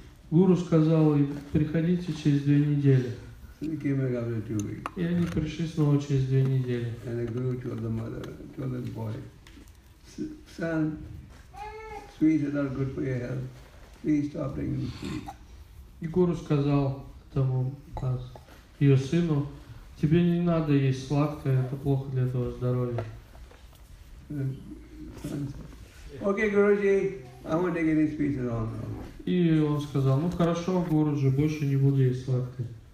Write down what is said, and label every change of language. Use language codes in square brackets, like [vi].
[ru] Гуру сказал ей, приходите через две недели. [en] And they came back after 2 weeks. [ru] И они пришли снова через две недели. [en] And the guru told the mother, told the boy, son, sweets are not good for your health. Please stop taking sweets. [ru] И гуру сказал тому ее сыну, тебе не надо есть сладкое, это плохо для твоего здоровья. [en] Okay, Guruji, I won't take any sweets at all. [ru] И он сказал, ну хорошо, Гуруджи, больше не буду есть сладкое.